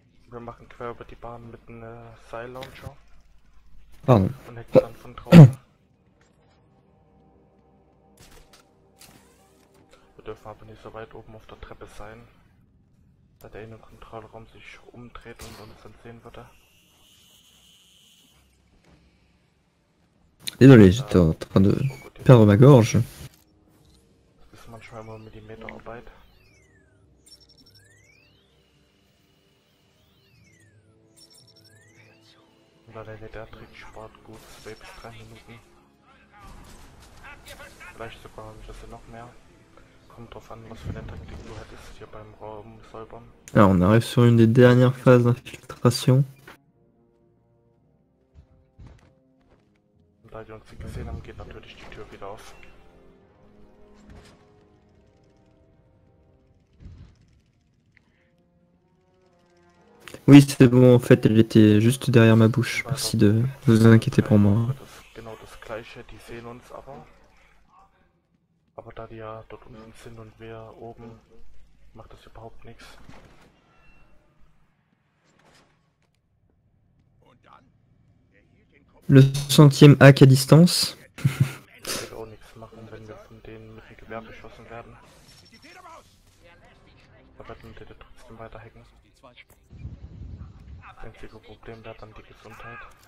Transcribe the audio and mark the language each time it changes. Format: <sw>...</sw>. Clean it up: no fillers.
<de>Wir machen quer über die Bahn mit einem Seil Launcher. Und hacken dann von drauf. Dürfen aber nicht so weit oben auf der Treppe sein, da der Innenkontrollraum sich umdreht und uns dann sehen würde.</de> <fr>Désolé, j'étais en train de perdre ma gorge.</fr> <de>Das ist manchmal immer Millimeterarbeit. Und der Ledertrick spart gut 2-3 Minuten. Vielleicht sogar ein bisschen noch mehr. Kommt drauf an, was für eine Taktik du hättest hier beim Raum säubern.</de> <fr>Ja, on arrive sur une des dernières phases d'infiltration.</fr> <de>Da die uns gesehen haben, geht natürlich die Tür wieder auf.</de> <fr>Oui, c'est bon, en fait, elle était juste derrière ma bouche. Merci de vous inquiéter pour moi.</fr> <de>Genau das gleiche, die sehen uns aber. Aber da die ja dort unten sind und wir oben, macht das überhaupt nichts.</de> <fr>Le centième hack à distance.</fr> <de>Ich werde auch nichts machen, wenn wir von denen mit dem Gewehr geschossen werden. Aber dann würde ich trotzdem weiter hacken. Das einzige Problem wäre dann die Gesundheit.</de>